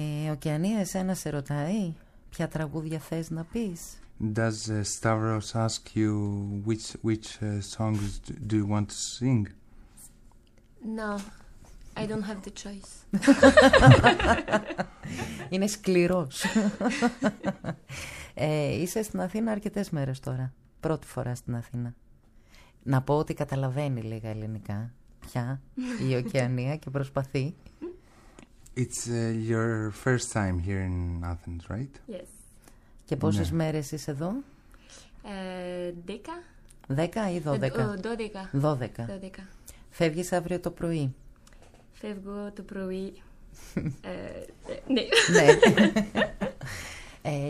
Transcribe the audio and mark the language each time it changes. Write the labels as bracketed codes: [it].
[el] Οκεανία, εσένα σε ρωτάει ποια τραγούδια θες να πεις. [en] Does Stavros ask you which songs do you want to sing? No, I don't have the choice. [el] Είναι σκληρός. Είσαι στην Αθήνα αρκετές μέρες τώρα. Πρώτη φορά στην Αθήνα. Να πω ότι καταλαβαίνει λίγα ελληνικά πια η Οκεανία και προσπαθεί. [en] It's your first time here in Athens, right? Yes. [el] Και πόσες μέρες είσαι εδώ? 10. 10 ή 12? 12. 12. Φεύγεις αύριο το πρωί? Φεύγω το πρωί. Ναι. Ναι.